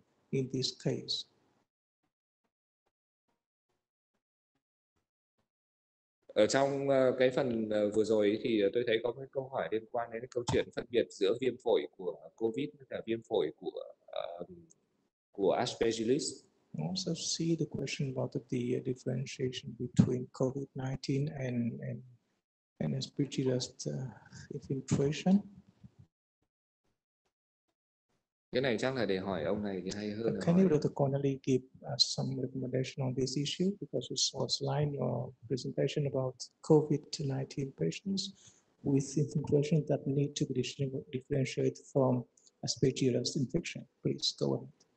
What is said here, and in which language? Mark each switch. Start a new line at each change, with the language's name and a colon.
English: In this case.
Vietnamese: Ở trong cái phần vừa rồi thì tôi thấy có cái câu hỏi liên quan đến câu chuyện phân biệt giữa viêm phổi của COVID và viêm phổi của Aspergillus.
English: Also see the question about the differentiation between COVID-19 and Aspergillus infiltration.
Vietnamese: Cái này chắc là để hỏi ông này thì hay hơn.
English: Can you, Dr. Connolly, give us some recommendation on this issue? Because we saw slide in your presentation about COVID-19 patients with infiltration that need to be differentiated from Aspergillus infection. Please go ahead.